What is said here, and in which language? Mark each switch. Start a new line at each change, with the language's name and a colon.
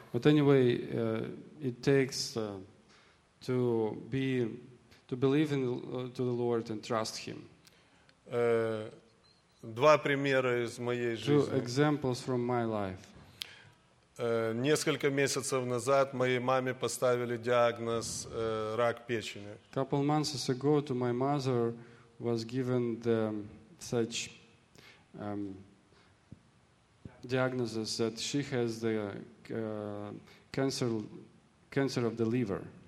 English: But anyway, it takes to be to believe in to the Lord and trust Him.
Russian: Два примера из моей жизни.
English: Two examples from my life.
Russian: Несколько месяцев назад моей маме поставили диагноз рак печени.
English: Couple months ago to my mother was given the such diagnosis that she has the cancer of the liver.